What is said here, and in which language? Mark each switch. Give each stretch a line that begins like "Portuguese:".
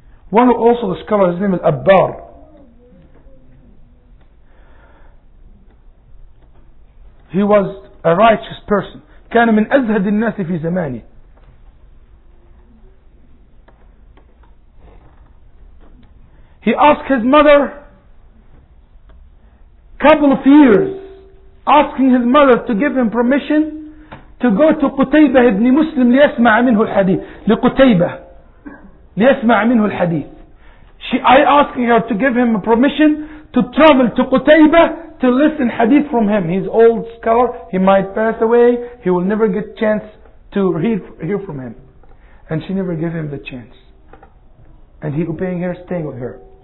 English: One who also the scholar, his name is Abbar. He was a righteous person.
Arabic: كان من أزهد الناس في زمانه.
English: He asked his mother couple of years, asking his mother to give him permission to go to Qutaybah ibn Muslim
Arabic: ليسمع منه الحديث. لقتيبه ليسمع منه الحديث.
English: I asking her to give him permission to travel to Qutaybah to listen hadith from him. He's old scholar, he might pass away, he will never get chance to hear from him. And she never gave him the chance. And he obeying her, staying with her.